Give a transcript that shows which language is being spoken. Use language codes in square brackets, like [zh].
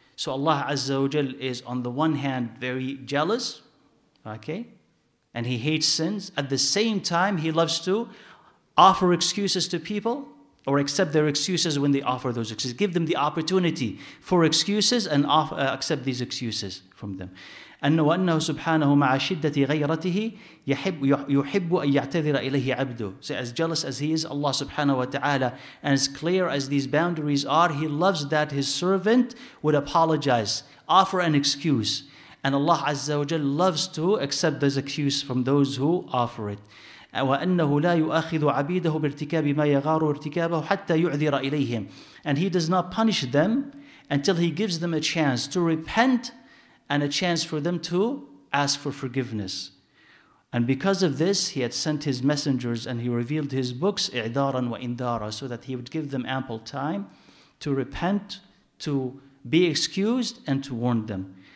[en] So Allah Azza wa Jal is on the one hand very jealous, okay? And he hates sins. At the same time, he loves to offer excuses to people or accept their excuses when they offer those excuses. Give them the opportunity for excuses and accept these excuses from them. [ar] أنه وأنه سبحانه مع شدة غيرته يحب أن يعتذر إليه عبده. [en] So as jealous as he is, Allah subhanahu wa ta'ala, and as clear as these boundaries are, he loves that his servant would apologize, offer an excuse. And Allah Azza wa Jal loves to accept this excuse from those who offer it. [ar] وأنه لا يؤاخذ عبيده بارتكاب ما يغار ارتكابه حتى يعذر إليهم. [en] And he does not punish them until he gives them a chance to repent and a chance for them to ask for forgiveness. And because of this, he had sent his messengers and he revealed his books, [ar] إِعْدَارًا وَإِنْدَارًا, [en] so that he would give them ample time to repent, to be excused, and to warn them.